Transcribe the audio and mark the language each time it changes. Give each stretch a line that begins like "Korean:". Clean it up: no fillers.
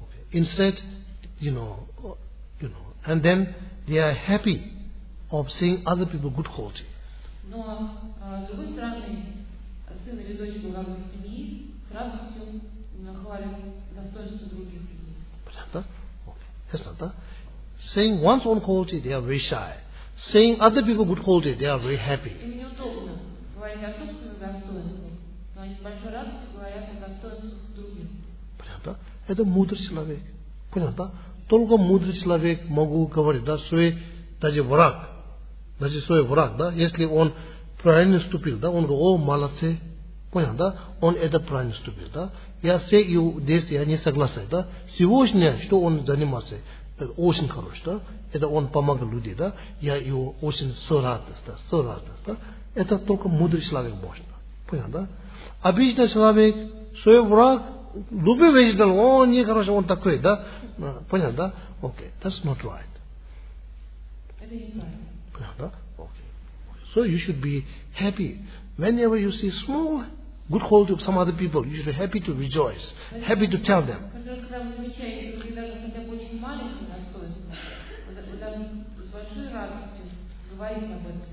English: Instead, you know, and then they are happy of seeing other people good quality.
Russian: Но с другой стороны, сын или дочь главы семьи с радостью нахвалит достоинство других людей.
English: Понятно? Okay. Yes, not that. Saying one's own quality, they are very shy. Saying other people's good quality, they are very happy.
Russian: Им неудобно говорить о собственном достоинстве, но они с большой радостью говорят о достоинствах других. Понятно? Это мудрый человек. Понятно? Только мудрый человек могу говорить, да, свой даже враг. Даже свой враг, да, если он правильно ступил, да, он говорит, о, молодцы. Понятно? Он это правильно ступил, да. Я все его действия, я не согласен, да. Сегодня, что он занимался, это очень хорош, да. Это он помогал людям, да. Я его очень сорадность, да. Это только мудрый человек можно. Понятно? Обычный человек, свой враг, любой вежден, о, нехорошо, он такой, да? Понятно, да? Окей,
English: okay. That's not right.
Russian: Это неправильно. Понятно, да? Окей.
English: Okay. So you should be happy. Whenever you see small good quality of some other people, you should be happy to rejoice, happy to tell them.
Russian: Когда вы замечаете, вы даже хотя бы очень маленькое достоинство, вы даже с большой радостью говорите об этом